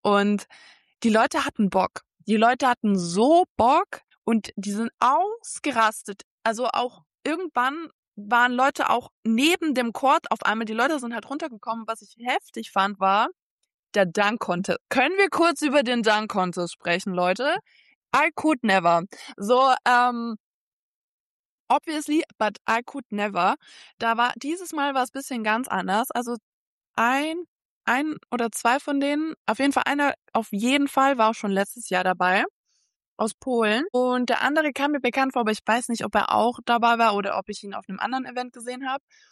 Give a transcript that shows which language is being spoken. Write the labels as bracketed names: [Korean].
[German] Und die Leute hatten Bock. Die Leute hatten so Bock und die sind ausgerastet. Also auch irgendwann waren Leute auch neben dem Court auf einmal. Die Leute sind halt runtergekommen. Was ich heftig fand, war der Dunk Contest. Können wir kurz über den Dunk Contest sprechen, Leute? [English] I could never. So, obviously, but I could never. [German] Dieses Mal war es ein bisschen ganz anders. Also ein oder zwei von denen, auf jeden Fall einer, auf jeden Fall war auch schon letztes Jahr dabei, aus Polen. Und der andere kam mir bekannt vor, aber ich weiß nicht, ob er auch dabei war oder ob ich ihn auf einem anderen Event gesehen habe.